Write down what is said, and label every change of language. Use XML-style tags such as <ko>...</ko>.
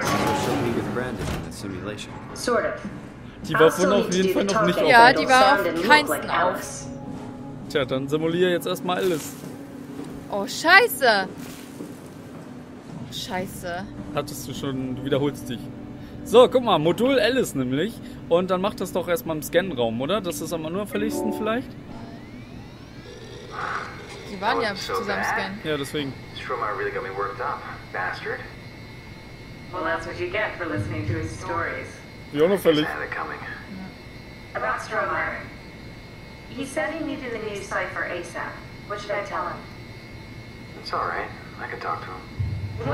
<en>She'll be with Brandon in the simulation. Sort of.</en> <de>Die war wohl auf jeden Fall noch nicht offen. Ja, die war auf keinsten auf. Tja, dann simuliere jetzt erstmal alles. Oh, Scheiße! Scheiße. Hattest du schon, du wiederholst dich. So, guck mal, Modul Alice nämlich. Und dann mach das doch erstmal im Scan-Raum, oder? Das ist am unauffälligsten vielleicht. Sie waren ja zusammen scannen. Ja, deswegen.</de> <en>Stromeyer really got me worked up, bastard. Well, that's what you get for listening to his stories.</en> <de>Wie unauffällig.</de> <en>I had it coming. About Stromeyer. He said he needed a new cipher ASAP. What should I tell him? It's all right. I can talk to him.</en>